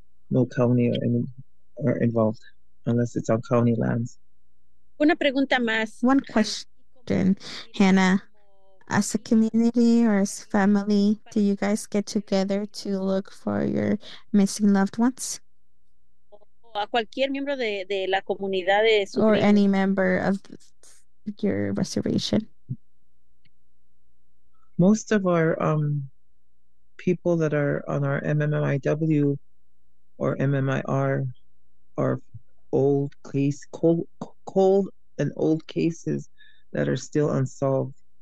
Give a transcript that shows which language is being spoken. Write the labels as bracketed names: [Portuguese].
[English] No county or any are involved, unless it's on county lands. [Spanish] Una pregunta más. [English] One question, Hannah. As a community or as family, do you guys get together to look for your missing loved ones? [Spanish] A cualquier miembro de la comunidad de su [English] or any member of your reservation? Most of our people that are on our MMMIW or MMIR are old case, cold and old cases that are still unsolved.